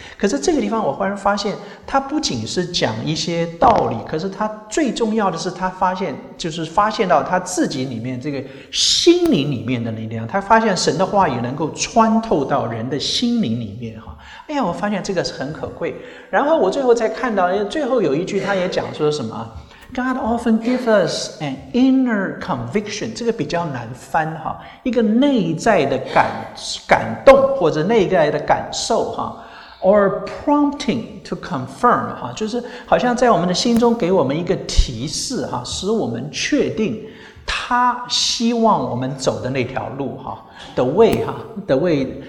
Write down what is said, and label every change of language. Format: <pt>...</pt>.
<zh>可是这个地方我忽然发现，他不仅是讲一些道理，可是他最重要的是他发现，就是发现到他自己里面这个心灵里面的力量，他发现神的话语能够穿透到人的心灵里面哈。哎呀，我发现这个是很可贵。然后我最后再看到，最后有一句他也讲说什么？</zh> <en>God often gives us an inner conviction.</en> <zh>这个比较难翻哈，一个内在的感动或者内在的感受哈。</zh> <en>Or prompting to confirm,</en> <zh>就是好像在我们的心中给我们一个提示，使我们确定他希望我们走的那条路</zh> <en>the way</en>